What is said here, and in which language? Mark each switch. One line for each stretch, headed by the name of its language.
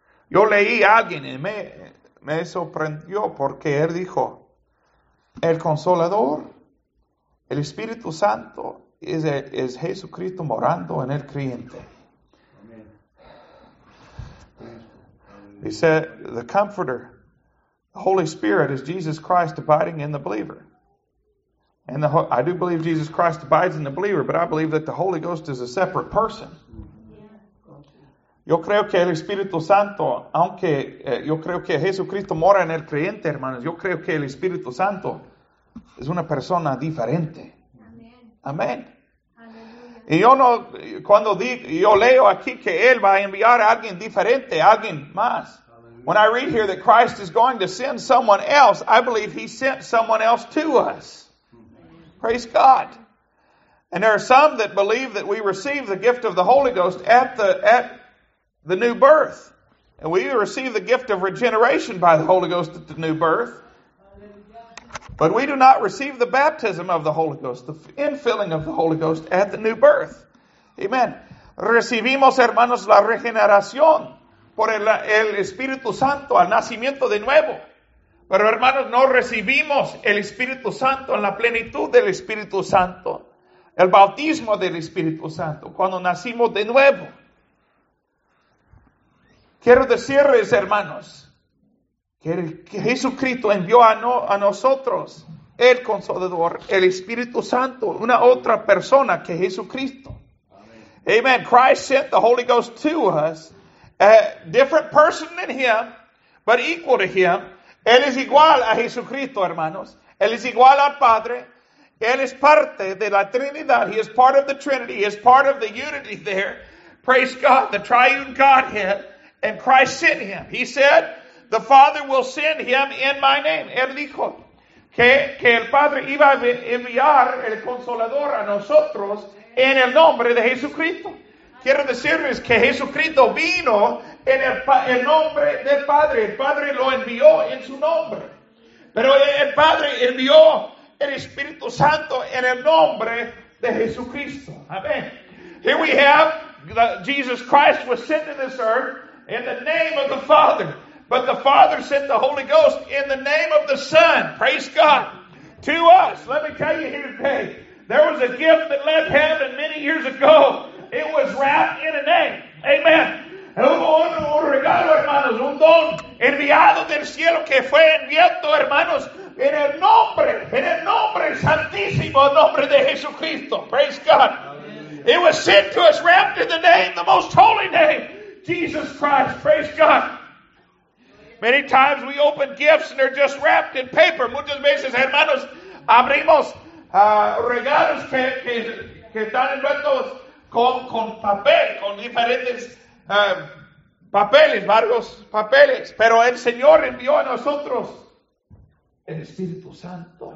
Spanish: Yo leí a alguien y me sorprendió porque él dijo, el Consolador, el Espíritu Santo, es Jesucristo morando en el creyente.
English: He said, the Comforter, the Holy Spirit, is Jesus Christ abiding in the believer. And I do believe Jesus Christ abides in the believer, but I believe that the Holy Ghost is a separate person.
Spanish: Yo creo que el Espíritu Santo, aunque yo creo que Jesucristo mora en el creyente, hermanos, yo creo que el Espíritu Santo es una persona diferente. Amén. Y yo no, cuando yo leo aquí que Él va a enviar a alguien diferente, alguien más.
English: When I read here that Christ is going to send someone else, I believe He sent someone else to us. Praise God. And there are some that believe that we receive the gift of the Holy Ghost at the new birth. And we receive the gift of regeneration by the Holy Ghost at the new birth. But we do not receive the baptism of the Holy Ghost, the infilling of the Holy Ghost at the new birth. Amen.
Spanish: Recibimos, hermanos, la regeneración por el Espíritu Santo, al nacimiento de nuevo. Pero, hermanos, no recibimos el Espíritu Santo en la plenitud del Espíritu Santo, el bautismo del Espíritu Santo, cuando nacimos de nuevo. Quiero decirles, hermanos, que Jesucristo envió a nosotros el Consolador, el Espíritu Santo, una otra persona que Jesucristo. Amen. Amen.
English: Christ sent the Holy Ghost to us, a different person than Him, but equal to Him.
Spanish: Él es igual a Jesucristo, hermanos. Él es igual al Padre. Él es parte de la Trinidad.
English: He is part of the Trinity. He is part of the unity there. Praise God, the triune Godhead. And Christ sent Him. He said, the Father will send Him in my name.
Spanish: Él dijo que el Padre iba a enviar el Consolador a nosotros en el nombre de Jesucristo. Quiero decirles que Jesucristo vino en el nombre del Padre. El Padre lo envió en su nombre. Pero el Padre envió el Espíritu Santo en el nombre de Jesucristo. Amén.
English: Here we have Jesus Christ was sent to this earth in the name of the Father. But the Father sent the Holy Ghost in the name of the Son. Praise God. To us. Let me tell you here today. There was a gift that left heaven many years ago. It was wrapped in a name. Amen.
Spanish: Hubo un regalo, hermanos, un don enviado del cielo que fue enviado, hermanos, en el nombre santísimo, el nombre de Jesucristo.
English: Praise God. It was sent to us wrapped in the name, the most holy name, Jesus Christ. Praise God. Many times we open gifts and they're just wrapped in paper.
Spanish: Muchas veces, hermanos, abrimos regalos que están envueltos con papel, con diferentes papeles, varios papeles. Pero el Señor envió a nosotros el Espíritu Santo.